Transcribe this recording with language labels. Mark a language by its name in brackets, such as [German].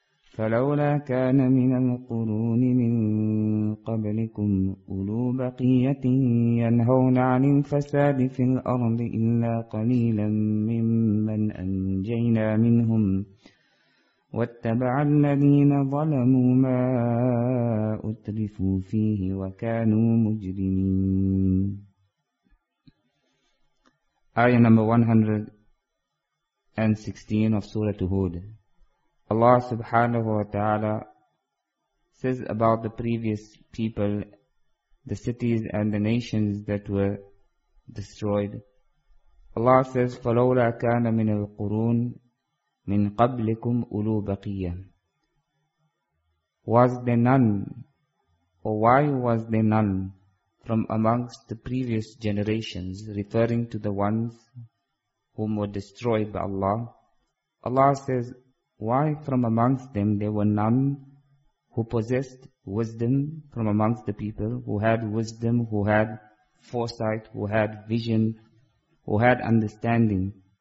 [Arabic] فلولا كان من القرون من قبلكم أولو بقية ينهون عن الفساد في الأرض إلا قليلا ممن أنجينا منهم واتبع الذين ظلموا ما أترفوا فيه وكانوا مجرمين. آية نمبر [English] 116 of Surah Hud. Allah subhanahu wa ta'ala says about the previous people, the cities and the nations that were destroyed. Allah says, [Arabic] فَلَوْلَا كَانَ مِنَ الْقُرُونَ مِنْ قَبْلِكُمْ أُولُو بَقِيَّةٌ. [English] Was there none, or why was there none from amongst the previous generations, referring to the ones whom were destroyed by Allah? Allah says, why from amongst them there were none who possessed wisdom from amongst the people, who had wisdom, who had foresight, who had vision, who had understanding?